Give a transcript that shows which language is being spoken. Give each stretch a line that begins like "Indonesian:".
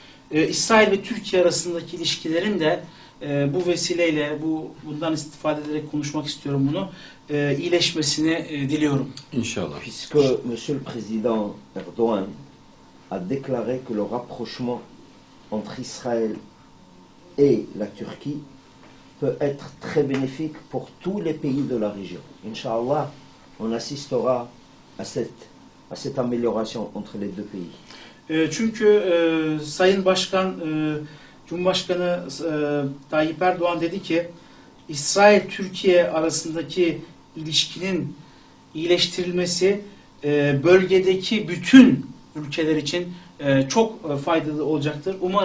Turkish: İsrail ve Türkiye arasındaki ilişkilerin de bu vesileyle bundan istifade ederek konuşmak istiyorum bunu. İyileşmesini diliyorum. İnşallah.
French: Puisque monsieur le président Erdogan a déclaré que le rapprochement entre Israël et la Turquie peut être très bénéfique pour tous les pays de la région. Inch'Allah, on assistera à cette amélioration entre les deux pays.
Turkish: Çünkü Sayın Başkan, Cumhurbaşkanı Tayyip Erdoğan dedi ki, İsrail-Türkiye arasındaki ilişkinin iyileştirilmesi bölgedeki bütün ülkeler için çok faydalı olacaktır.